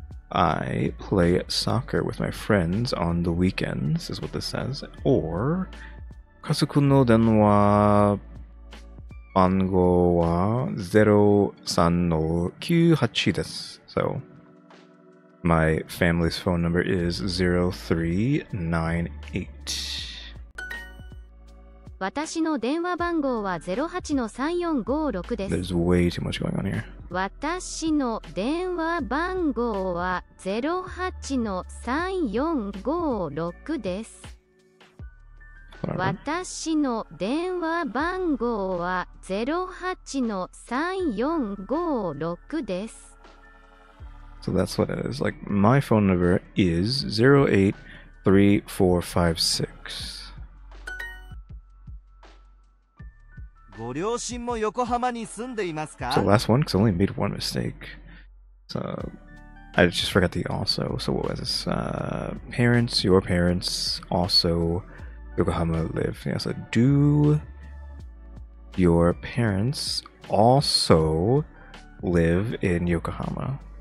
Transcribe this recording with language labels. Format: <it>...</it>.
<en>I play soccer with my friends on the weekends, is what this says. Or...</en> <ja>家族の電話番号は03-98です。</ja> <en>So, my family's phone number is 0398.</en> <ja>私の電話番号は 08-3456 です。</ja> <en>There's way too much going on here.</en> <ja>私の電話番号は 08-3456 です。私の電話番号は 08-3456 です。</ja> <en>So that's what it is. Like, my phone number is 083456.</en> <ja>ご両親も横浜に住んでいますか?</ja> <en>So last one, because I only made one mistake. So, I just forgot the also. So what was this? Parents, your parents, also... Yokohama live. Yeah, so do your parents also live in Yokohama?</en>